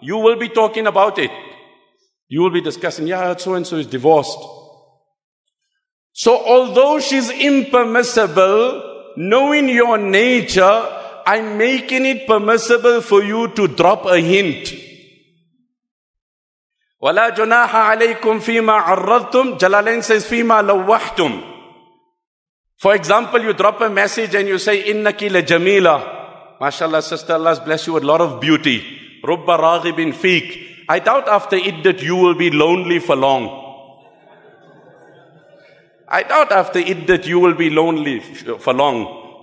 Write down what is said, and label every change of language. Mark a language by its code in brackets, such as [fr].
[en] You will be talking about it. You will be discussing, yeah, so-and-so is divorced. So although she's impermissible, knowing your nature, I'm making it permissible for you to drop a hint. [ar] وَلَا جُنَاحَ عَلَيْكُمْ فِي مَا عَرَّضْتُمْ. Jalalain says, فِي مَا لَوَّحْتُمْ. [en] For example, you drop a message and you say, [ar] إِنَّكِ لَجَمِيلَ. [en] MashaAllah, sister, Allah bless you with a lot of beauty. [ar] رُبَّ رَاغِبٍ فِيك. [en] I doubt after it that you will be lonely for long. I doubt after it that you will be lonely for long.